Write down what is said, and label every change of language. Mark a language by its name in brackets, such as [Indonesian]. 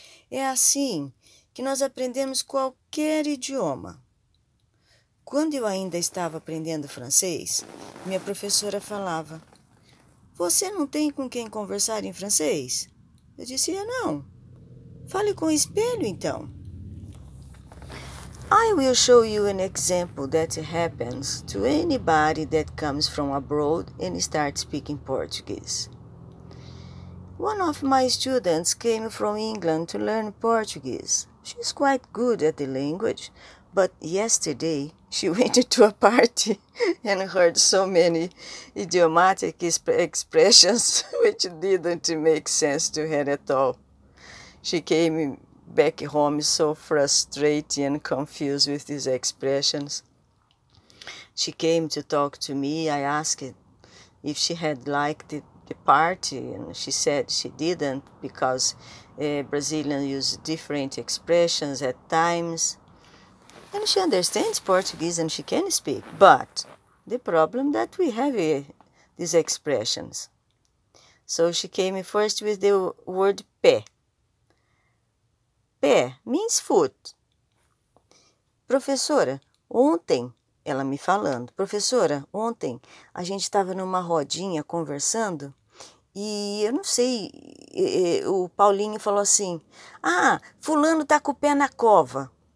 [Portuguese] É assim que nós aprendemos qualquer idioma. Quando eu ainda estava aprendendo francês, minha professora falava: "Você não tem com quem conversar em francês?" Eu disse: "Não. Fale com o espelho, então." [English] I will show you an example that happens to anybody that comes from abroad and starts speaking Portuguese. One of my students came from England to learn Portuguese. She's quite good at the language, but yesterday she went to a party and heard so many idiomatic expressions which didn't make sense to her at all. She came back home so frustrated and confused with these expressions. She came to talk to me. I asked if she had liked the party, and she said she didn't because Brazilians use different expressions at times. And she understands Portuguese and she can speak, but the problem that we have is these expressions. So she came first with the word pé. Pé means foot. [Portuguese] Professora, ontem, ela me falando, professora, ontem a gente estava numa rodinha conversando e eu não sei, o Paulinho falou assim: "Ah, fulano tá com o pé na cova."